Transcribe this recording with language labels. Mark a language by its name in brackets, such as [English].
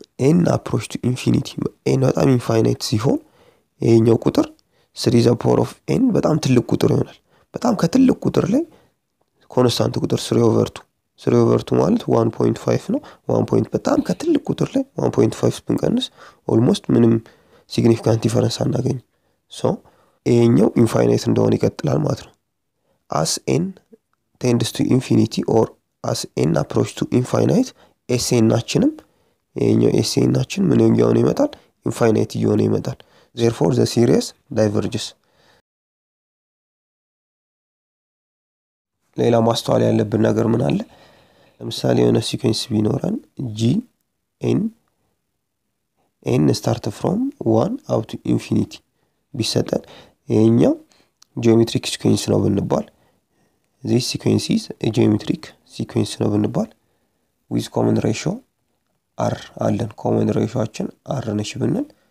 [English] n approach to infinity [Amharic] n በጣም infinite ሲሆን ይሄኛው ቁጥር 3 the power of n በጣም ትልቅ ቁጥር ይሆናል። በጣም ከትልቅ ቁጥር ላይ constant ቁጥር 3 over 2 3 over 2 ማለት 1.5 ነው 1. በጣም ከትልቁ ቁጥር ላይ 1.5 ብንቀንስ ኦልሞስት ምንም ሲግኒፊካንት ዲፈረንስ አናገኝ so ኤኛው ኢንፋይናይት እንደሆነ ይከተላል ማለት ነው። [English] as n tends to infinity or as n approaches to infinite [Amharic] sn ናችንም ኤኛው sn ናችን ምን ይሆን ይመጣል ኢንፋይናይት ይሆን ይመጣል [English] therefore the series diverges። [Amharic] ሌላ ማስተዋል ያለብን ነገር ምን አለ? ለምሳሌ የሆነ ሲኩዌንስ ቢኖርን [English] g n n start from 1 up to infinity [Amharic] ቢሰጠን ይሄኛው ጂኦሜትሪክ ሲኩዌንስ ነው ብንባል [English] this sequence is a geometric sequence [Amharic] ነው ብንባል [English] with common ratio r [Amharic] አለን common ratioአችን r ነሽ ብንል